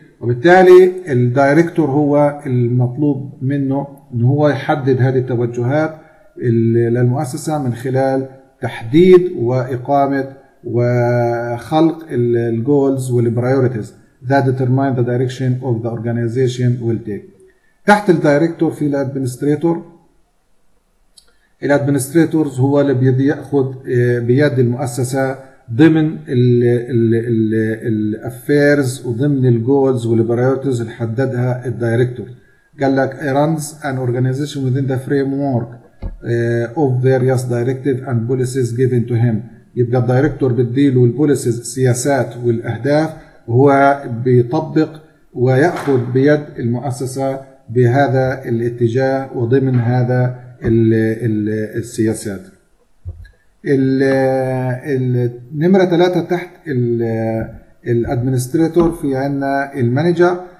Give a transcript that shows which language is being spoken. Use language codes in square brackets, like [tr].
[ar] وبالتالي الدايركتور هو المطلوب منه إن هو يحدد هذه التوجهات للمؤسسة من خلال تحديد وإقامة وخلق الجولز والبريوريتيز [en] that determine the direction of the organization will take. [ar] تحت الدايركتور في الادمنستريتور. الادمنستريتور هو اللي بياخذ بيد المؤسسة ضمن الافيرز وضمن الجولز والبريوريتيز اللي حددها الدايركتور. قال لك [en] runs an organization within the framework of various directives and policies given to him. [ar] يبقى الدايركتور بديله البوليسيز السياسات والاهداف، وهو بيطبق وياخذ بيد المؤسسه بهذا الاتجاه وضمن هذا السياسات. النمره 3 تحت الادمنستريتور في عندنا المانجر.